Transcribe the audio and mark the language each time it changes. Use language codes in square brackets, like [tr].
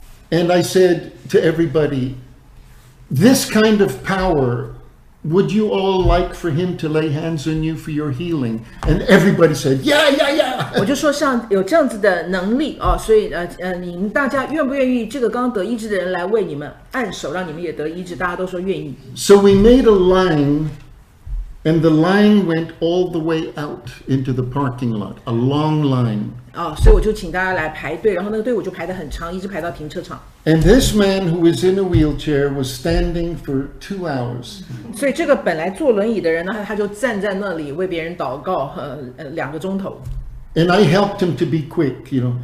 [en] And I said to everybody, this kind of power, would you all like for him to lay hands on you for your healing? And everybody said, [zh] 我就说像有这样子的能力哦，所以你们大家愿不愿意这个刚得医治的人来为你们按手，让你们也得医治？大家都说愿意。 [en] So we made a line. And the line went all the way out into the parking lot, a long line. [zh] 哦，所以我就请大家来排队，然后那个队伍就排得很长，一直排到停车场。 [en] And this man who was in a wheelchair was standing for 2 hours. [zh] 所以这个本来坐轮椅的人呢，他就站在那里为别人祷告，2个钟头。 [en] And I helped him to be quick, you know.